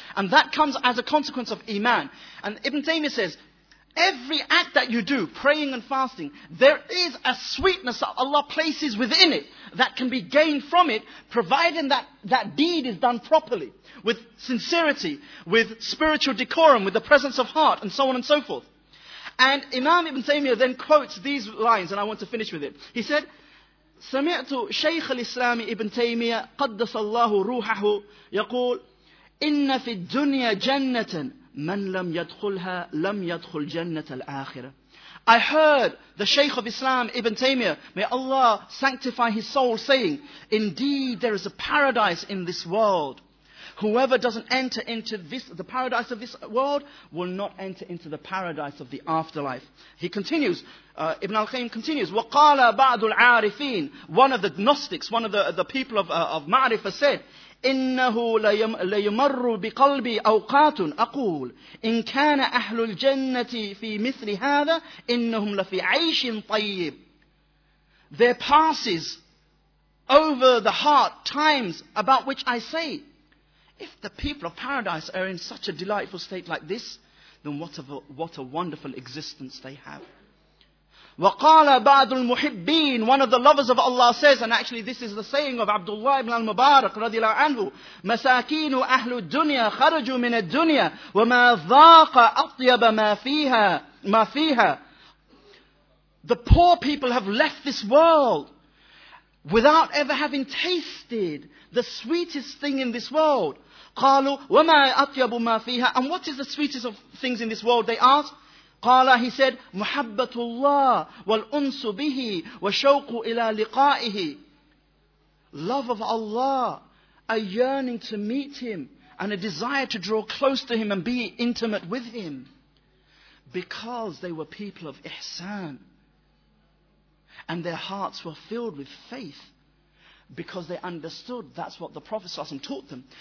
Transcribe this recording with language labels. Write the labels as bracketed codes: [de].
[en] And that comes as a consequence of Iman. And Ibn Taymiyyah says, every act that you do, praying and fasting, there is a sweetness that Allah places within it that can be gained from it, providing that deed is done properly, with sincerity, with spiritual decorum, with the presence of heart, and so on and so forth. And Imam Ibn Taymiyyah then quotes these lines, and I want to finish with it. He said, [ar] سَمِعْتُ شَيْخَ الْإِسْلَامِ Ibn Taymiyyah قَدَّسَ اللَّهُ رُوحَهُ يَقُولُ إِنَّ فِي الدُّنْيَا جَنَّةً مَنْ لَمْ يَدْخُلْهَا لَمْ يَدْخُلْ جَنَّةَ الْآخِرَةِ. [en] I heard the Shaykh of Islam, Ibn Taymiyyah, may Allah sanctify his soul, saying, indeed there is a paradise in this world. Whoever doesn't enter into the paradise of this world will not enter into the paradise of the afterlife. He continues, Ibn al-Qayyim continues, [ar] وَقَالَ بَعْدُ الْعَارِفِينَ. [en] One of the Gnostics, one of the people of Ma'rifah said, [ar] إِنَّهُ لَيُمَرُّ بِقَلْبِي أَوْقَاتٌ أَقُولُ إِنْ كَانَ أَهْلُ الْجَنَّةِ فِي مِثْلِ هَذَا إِنَّهُمْ لَفِي عَيْشٍ طَيِّبٍ. [en] There passes over the heart times about which I say, if the people of paradise are in such a delightful state like this, then what a wonderful existence they have. [ar] وَقَالَ بَعْدُ الْمُحِبِّينَ. [en] One of the lovers of Allah says, and actually this is the saying of Abdullah ibn al-Mubarak رضي الله عنه, [ar] مَسَاكِينُ أَهْلُ الدُّنْيَا خَرَجُوا مِنَ الدُّنْيَا وَمَا ذَاقَ أَطْيَبَ مَا فِيهَا. [en] The poor people have left this world without ever having tasted the sweetest thing in this world. [ar] قَالُوا وَمَا أَطْيَبُ مَا فِيهَا. [en] And what is the sweetest of things in this world, they ask? [ar] قَالَ. [en] He said, [ar] مُحَبَّةُ اللَّهِ وَالْأُنْسُ بِهِ وَشَوْقُ إِلَىٰ لِقَائِهِ. [en] Love of Allah, a yearning to meet Him, and a desire to draw close to Him and be intimate with Him. Because they were people of ihsan, and their hearts were filled with faith, because they understood that's what the Prophet ﷺ taught them.